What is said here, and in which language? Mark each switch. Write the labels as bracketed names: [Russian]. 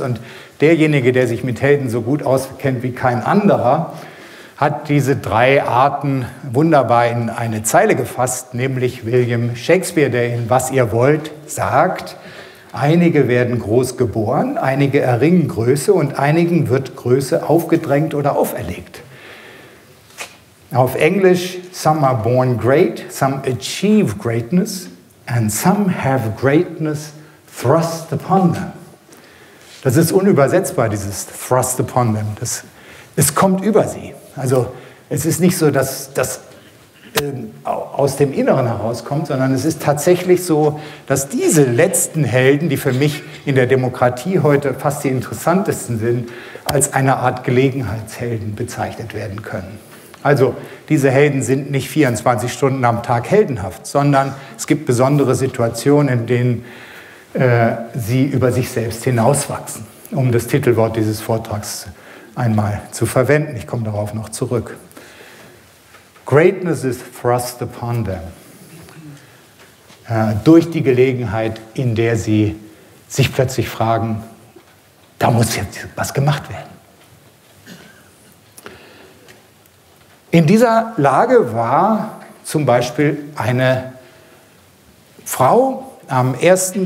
[German] Und derjenige, der sich mit Helden so gut auskennt wie kein anderer, hat diese drei Arten wunderbar in eine Zeile gefasst, nämlich William Shakespeare, der in Was ihr wollt sagt, einige werden groß geboren, einige erringen Größe und einigen wird Größe aufgedrängt oder auferlegt. Auf Englisch, [English] some are born great, some achieve greatness and some have greatness thrust upon them. [German] Das ist unübersetzbar, dieses [English] thrust upon them. [German] Es kommt über sie. Also es ist nicht so, dass das aus dem Inneren herauskommt, sondern es ist tatsächlich so, dass diese letzten Helden, die für mich in der Demokratie heute fast die interessantesten sind, als eine Art Gelegenheitshelden bezeichnet werden können. Also diese Helden sind nicht 24 Stunden am Tag heldenhaft, sondern es gibt besondere Situationen, in denen sie über sich selbst hinauswachsen, um das Titelwort dieses Vortrags zu einmal zu verwenden. Ich komme darauf noch zurück. [English] Greatness is thrust upon them. [German] Durch die Gelegenheit, in der sie sich plötzlich fragen, da muss jetzt was gemacht werden. In dieser Lage war zum Beispiel eine Frau am 1.